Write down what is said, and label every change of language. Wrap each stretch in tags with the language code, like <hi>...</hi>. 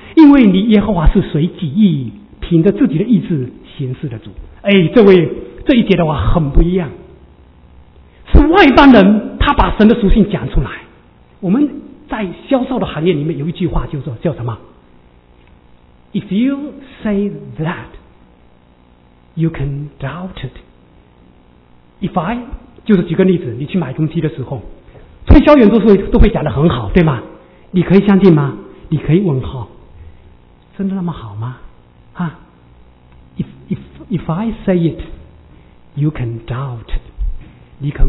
<zh>因为你耶和华是随己意凭着自己的意志行事的主。哎，这位这一节的话很不一样，是外邦人，他把神的属性讲出来。我们在销售的行业里面有一句话就说叫什么？</zh> <en>If you say that, you can doubt it.</en> <zh>If I, 就是举个例子，你去买东西的时候，推销员都会讲得很好，对吗？你可以相信吗？你可以问号，真的那么好吗？</zh> <en>啊 ？If I say it, you can doubt it.</en>